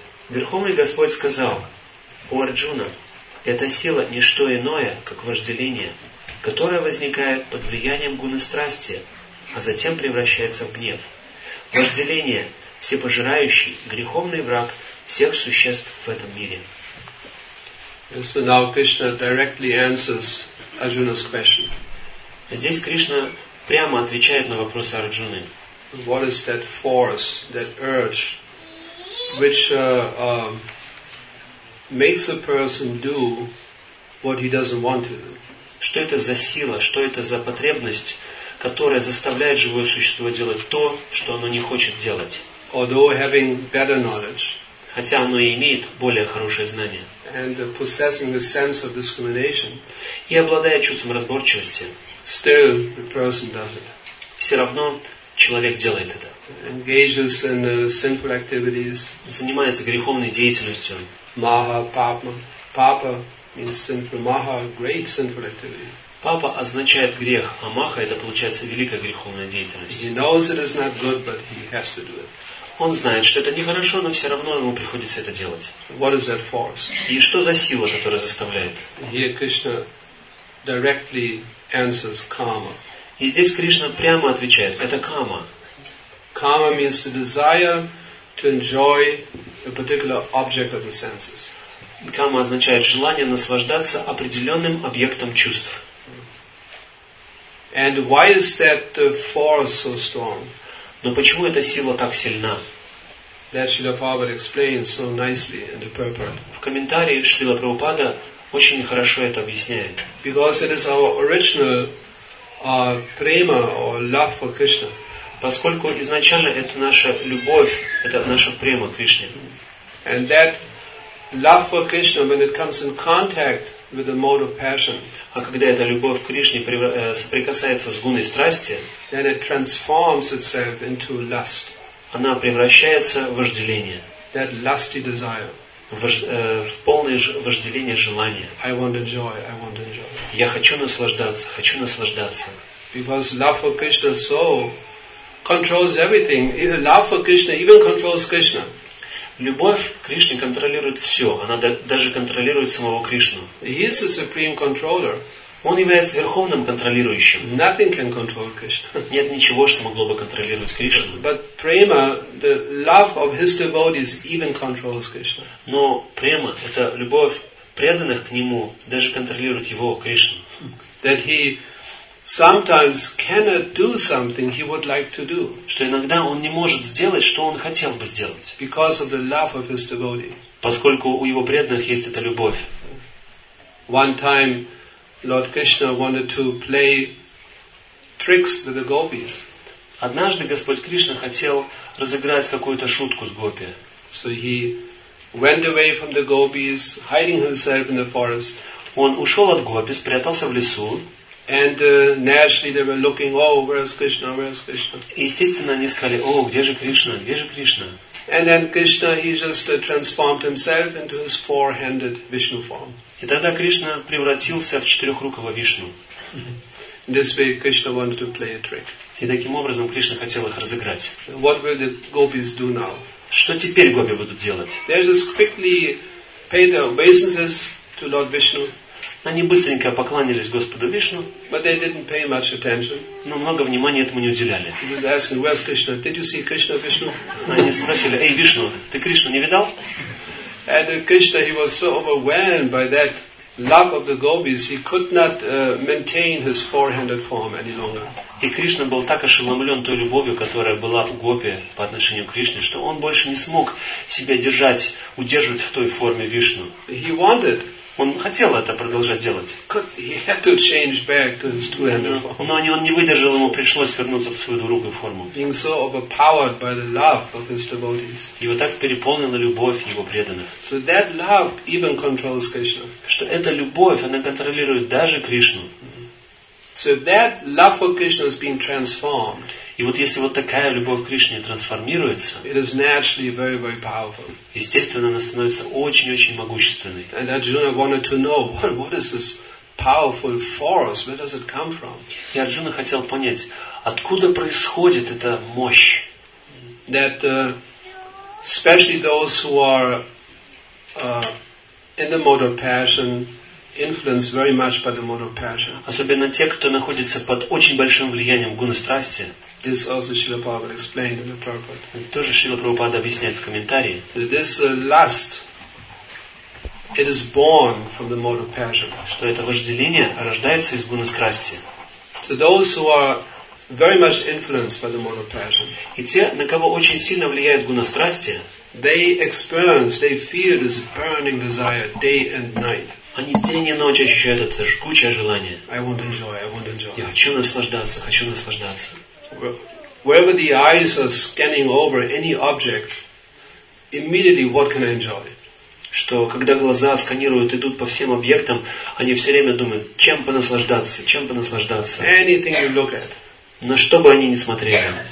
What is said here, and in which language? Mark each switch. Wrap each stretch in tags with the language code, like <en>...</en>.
<ru>Верховный Господь сказал: «О Арджуна, эта сила не что иное, как вожделение, которое возникает под влиянием гуны страсти, а затем превращается в гнев. Вожделение – всепожирающий, греховный враг всех существ в этом мире». Здесь Кришна прямо отвечает на вопросы Арджуны.</ru> <en>What is that force, that urge, which makes a person do what he doesn't want to do?</en> <ru>Что это за сила, что это за потребность, которая заставляет живое существо делать то, что оно не хочет делать?</ru> <en>Although having better knowledge,</en> <ru>хотя оно и имеет более хорошее знание,</ru> <en>and possessing the sense of discrimination,</en> <ru>и обладая чувством разборчивости,</ru> <en>still, the person does it.</en> <ru>Все равно человек делает это.</ru> <en>Engages in sinful activities.</en> <ru>Занимается греховной деятельностью.</ru> <en>Maha papa. Papa means sinful. Maha, great sinful activities.</en> <ru>Papa означает грех, а maha это получается великая греховная деятельность.</ru> <en>He knows it is not good, but he has to do it.</en> <ru>Он знает, что это нехорошо, но все равно ему приходится это делать.</ru> <en>What is that force?</en> <ru>И что за сила, которая заставляет?</ru> <en>Here Krishna directly answers karma.</en> <ru>И здесь Кришна прямо отвечает: это карма.</ru> <en>Karma means the desire to enjoy a particular object of the senses.</en> <ru>Карма означает желание наслаждаться определенным объектом чувств.</ru> <en>And why is that force so strong?</en> <ru>Но почему эта сила так сильна?</ru> <en>That Śrīla Prabhupāda explains so nicely in the purport.</en> <ru>В комментарии Шрила Прабхупада очень хорошо это объясняет.</ru> <en>Because it is our original prema or love for Krishna.</en> <ru>Поскольку изначально это наша любовь, это наша према к Кришне.</ru> <en>And that love for Krishna, when it comes in contact with the mode of passion,</en> <ru>а когда эта любовь к Кришне соприкасается с гуной страсти,</ru> <en>then it transforms itself into lust.</en> <ru>Она превращается в вожделение.</ru> <en>That lusty desire.</en> <ru>В полное вожделение желания.</ru> <en>I want enjoy, I want enjoy.</en> <ru>Я хочу наслаждаться, хочу наслаждаться.</ru> <en>Because love for Krishna so controls everything. Even love for Krishna even controls Krishna.</en> <ru>Любовь к Кришне контролирует все. Она даже контролирует самого Кришну.</ru> <en>He is the supreme controller.</en> <ru>Он является верховным контролирующим.</ru> <en>Nothing can control Krishna.</en> <ru>Нет ничего, что могло бы контролировать Кришну.</ru> <en>But prema, the love of his devotees even controls Krishna.</en> <ru>Но према, это любовь преданных к нему, даже контролирует его Кришну.</ru> <en>That he sometimes cannot do something he would like to do.</en> <ru>Что иногда он не может сделать, что он хотел бы сделать.</ru> <en>Because of the love of his devotee.</en> <ru>Поскольку у его преданных есть эта любовь.</ru> <en>One time Lord Krishna wanted to play tricks with the gopis.</en> <ru>Однажды Господь Кришна хотел разыграть какую-то шутку с гопи.</ru> <en>So he went away from the gopis, hiding himself in the forest.</en> <ru>Он ушел от гопи, спрятался в лесу.</ru> <en>And naturally they were looking, oh, where is Krishna, where is Krishna?</en> <ru>Естественно, они сказали, о, где же Кришна, где же Кришна?</ru> <en>And then Krishna, he just transformed himself into his four-handed Vishnu form.</en> <ru>И тогда Кришна превратился в четырехрукого Вишну.</ru> <en>This way Krishna wanted to play a trick.</en> <ru>И таким образом Кришна хотел их разыграть.</ru> <en>What will the gopis do now?</en> <ru>Что теперь гопи будут делать?</ru> <en>They just quickly paid their obeisances to Lord Vishnu.</en> <ru>Они быстренько поклонились Господу Вишну.</ru> <en>But they didn't pay much attention.</en> <ru>Но много внимания этому не уделяли.</ru> <en>They asked, "Where's Krishna? Did you see Krishna, Vishnu?"</en> <ru>Они спросили: "Эй, Вишну, ты Кришну не видал?"</ru> <en>And Krishna, he was so overwhelmed by that love of the gopis, he could not maintain his four-handed form any longer.</en> <ru>И Кришна был так ошеломлен той любовью, которая была у гопи по отношению к Кришне, что он больше не смог себя держать, удерживать в той форме Вишну.</ru> <en>He wanted.</en> <ru>Он хотел это продолжать делать.</ru> <en>Could, he had to change back to his two-handed form.</en> <ru>Но он не выдержал, ему пришлось вернуться в свою другую форму.</ru> <en>Being so overpowered by the love of his devotees.</en> <ru>Его так переполнила любовь его преданных.</ru> <en>So that love even controls Krishna.</en> <ru>Что эта любовь, она контролирует даже Кришну.</ru> <en>So that love for Krishna is being transformed.</en> <ru>И вот если вот такая любовь к Кришне трансформируется,</ru> <en>it is naturally very, very powerful.</en> <ru>Естественно, она становится очень-очень могущественной.</ru> <en>And Arjuna wanted to know, what is this powerful force? Where does it come from?</en> <ru>И Арджуна хотел понять, откуда происходит эта мощь?</ru> <en>That especially those who are in the mode of passion, influenced very much by the mode of passion.</en> <ru>Особенно те, кто находится под очень большим влиянием гуны страсти.</ru> <en>This also Śrīla Prabhupāda explained in the purport.</en> <ru>Тоже Śrīla Prabhupāda объясняет в комментарии.</ru> <en>This lust, it is born from the mode of passion.</en> <ru>Что это вожделение рождается из гуны страсти.</ru> <en>To those who are very much influenced by the mode of passion.</en> <ru>И те, на кого очень сильно влияет гуна страсти,</ru> <en>they experience, they feel this burning desire day and night.</en> <ru>Они день и ночь ощущают это жгучее желание.</ru> <en>I want enjoy, I want enjoy.</en> <ru>Я хочу наслаждаться, хочу наслаждаться.</ru> <en>Wherever the eyes are scanning over any object, immediately what can I enjoy?</en> <ru>Что когда глаза сканируют, идут по всем объектам, они все время думают, чем понаслаждаться, чем понаслаждаться.</ru> <en>Anything you look at.</en> <ru>На что бы они ни смотрели.</ru>